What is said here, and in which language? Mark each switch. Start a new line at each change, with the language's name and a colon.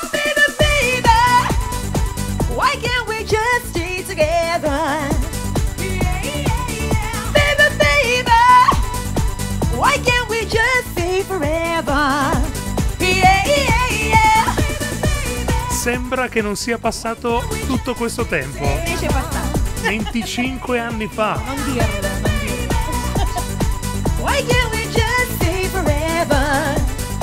English: Baby, baby, why can't we just stay together? Yeah, yeah, yeah. Baby, baby, why can't we just stay forever? Yeah, yeah, yeah. Baby, baby,
Italian: sembra che non sia passato tutto questo tempo. 25 anni fa. Non dirlo, non dirlo.
English: Why can't we just stay forever?